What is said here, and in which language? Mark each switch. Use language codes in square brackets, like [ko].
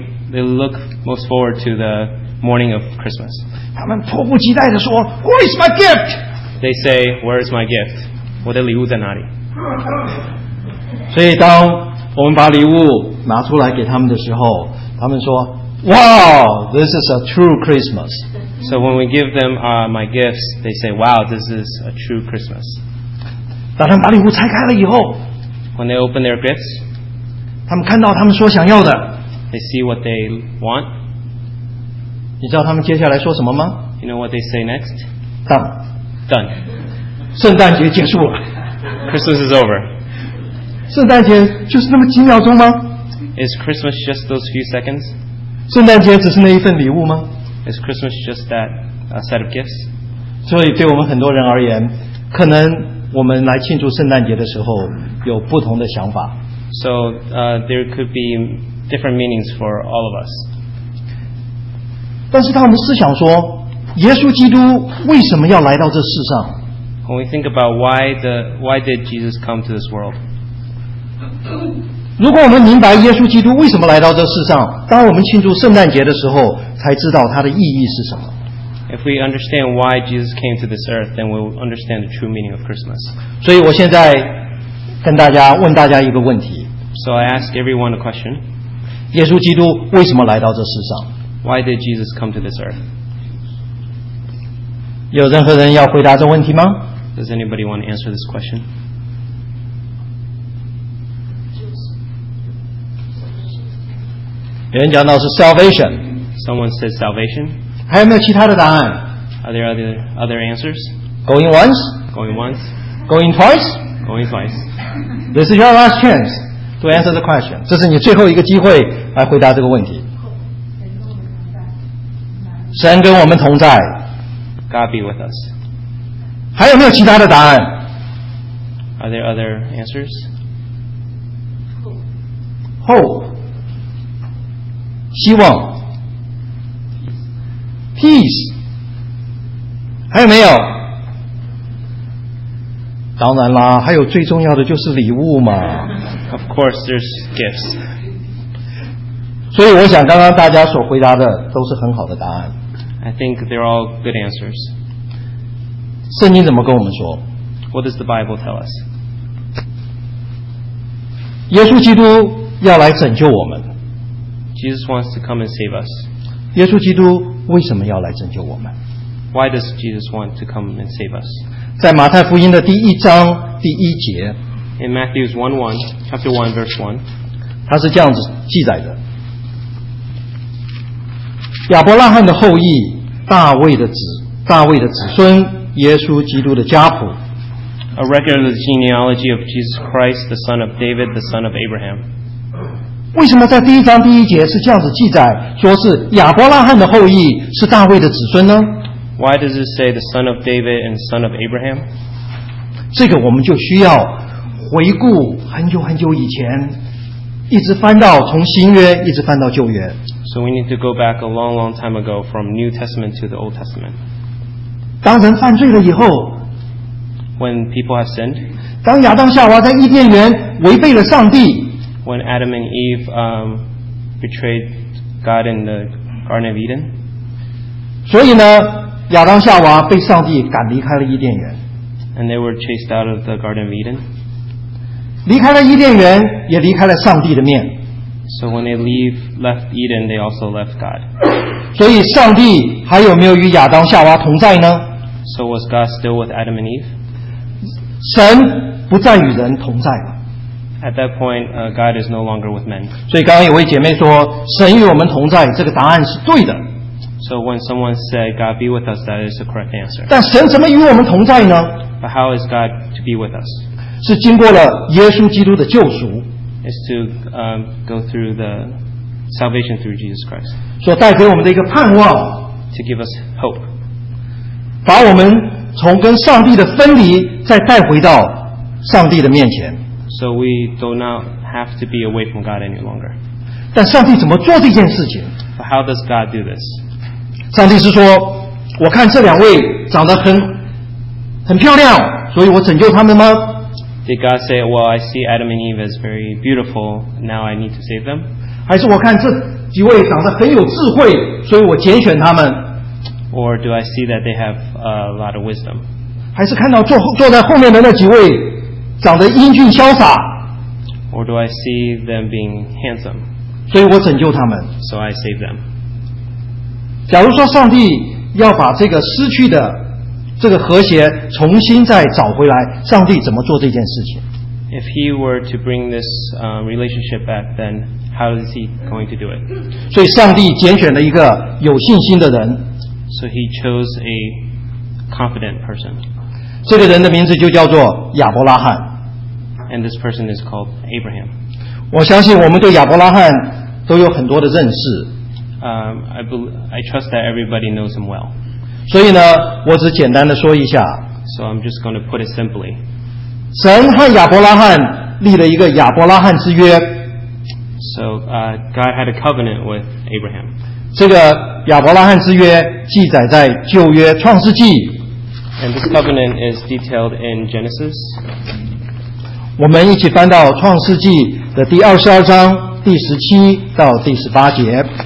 [en] They look most forward to the morning of Christmas. [zh] 他们迫不及待地说 [en] Where is my gift? They say, where is my gift? [zh] 我的礼物在哪里？所以当我们把礼物拿出来给他们的时候，他们说 [en] Wow, this is a true Christmas. So when we give them my gifts, they say, wow, this is a true Christmas. [zh] 当他们把礼物拆开了以后， [en] When they open their gifts, [zh] 他们看到他们所想要的， [en] They see what they want. [zh] 你知道他们接下来说什么吗？ [en] You know what they say next? Done. [zh] 圣诞节结束了。 [en] Christmas is over. [zh] 圣诞节就是那么几秒钟吗？ [en] Is Christmas just those few seconds? [zh] 圣诞节只是那一份礼物吗？ [en] Is Christmas just that set of gifts? [zh] 所以对我们很多人而言，可能我们来庆祝圣诞节的时候有不同的想法。 [en] So there could be different meanings for all of us. [zh] 但是当我们思想说，耶稣基督为什么要来到这世上？ [en] When we think about why did Jesus come to this world? [zh] 如果我们明白耶稣基督为什么来到这世上，当我们庆祝圣诞节的时候，才知道它的意义是什么。 [en] If we understand why Jesus came to this earth, then we'll understand the true meaning of Christmas. [zh] 所以我现在跟大家问大家一个问题。 [en] So I ask everyone a question. [zh] 耶稣基督为什么来到这世上？ [en] Why did Jesus come to this earth? [zh] 有任何人要回答这问题吗？ [en] Does anybody want to answer this question? [zh] 有人讲到是 salvation. [en] Someone says salvation. [zh] 还有没有其他的答案？ [en] Are there other answers? Going once? Going once. Going twice? Going twice. This is your last chance to answer the question. [zh] 这是你最后一个机会来回答这个问题。神跟我们同在。 [en] God be with us. [zh] 还有没有其他的答案？ [en] Are there other answers? Hope. [zh] 希望 Peace 还有没有当然啦还有最重要的就是礼物嘛 [en] Of course there's gifts [zh] 所以我想刚刚大家所回答的都是很好的答案 [en] I think they're all good answers [zh] 圣经怎么跟我们说 [en] What does the Bible tell us [zh] 耶稣基督要来拯救我们 [en] Jesus wants to come and save us. [zh] 耶稣基督为什么要来拯救我们？ [en] Why does Jesus want to come and save us? [zh] 在马太福音的第一章第一节。 [en] In Matthew 1:1, chapter 1, verse 1. [zh] 它是这样子记载的。亚伯拉罕的后裔，大卫的子孙，耶稣基督的家谱。 [en] A record of the genealogy of Jesus Christ, the son of David, the son of Abraham. [zh] 为什么在第一章第一节是这样子记载，说是亚伯拉罕的后裔，是大卫的子孙呢？ [en] Why does it say the son of David and son of Abraham? [zh] 这个我们就需要回顾很久很久以前，一直翻到从新约，一直翻到旧约。 [en] So we need to go back a long, long time ago from New Testament to the Old Testament. [zh] 当人犯罪了以后， [en] when people have sinned. [zh] 当亚当夏娃在伊甸园违背了上帝。 [en] When Adam and Eve betrayed God in the Garden of Eden. [zh] 所以呢，亚当夏娃被上帝赶离开了伊甸园。 [en] And they were chased out of the Garden of Eden. [zh] 离开了伊甸园，也离开了上帝的面。 [en] So when they left Eden, they also left God. [zh] 所以上帝还有没有与亚当夏娃同在呢？ [en] So was God still with Adam and Eve? [zh] 神不再与人同在了。 [en] At that point, God is no longer with men. [zh] 所以刚刚有位姐妹说，神与我们同在，这个答案是对的。 [en] So when someone said God be with us, that is the correct answer. [zh] 但神怎么与我们同在呢？ [en] But how is God to be with us? [zh] 是经过了耶稣基督的救赎。 [en] Is to go through the salvation through Jesus Christ. [zh] 所带给我们的一个盼望。 [en] To give us hope. [zh] 把我们从跟上帝的分离，再带回到上帝的面前。 [en] So we do not have to be away from God any longer. [zh] 但上帝怎么做这件事情？ [en] But how does God do this? [zh] 上帝是说，我看这两位长得很漂亮，所以我拯救他们吗？ [en] Did God say, well, I see Adam and Eve as very beautiful, now I need to save them? [zh] 还是我看这几位长得很有智慧，所以我拣选他们？ [en] Or do I see that they have a lot of wisdom? [zh] 还是看到坐在后面的那几位长得英俊潇洒？ [en] Or do I see them being handsome? [zh] 所以我拯救他们。 [en] So I save them. [zh] 假如说上帝要把这个失去的这个和谐重新再找回来，上帝怎么做这件事情？ [en] If he were to bring this relationship back, then how is he going to do it? [zh] 所以上帝拣选了一个有信心的人。 [en] So he chose a confident person. [zh] 这个人的名字就叫做亚伯拉罕。 [en] And this person is called Abraham. [zh] 我相信我们对亚伯拉罕都有很多的认识。 [en] I trust that everybody knows him well. [zh] 所以呢，我只简单的说一下。 [en] So I'm just going to put it simply. [zh] 神和亚伯拉罕立了一个亚伯拉罕之约。 [en] So God had a covenant with Abraham. [zh] 这个亚伯拉罕之约记载在旧约创世纪。 [en] And this covenant is detailed in Genesis. [zh] 我们一起翻到创世纪的第22章第17到第18节。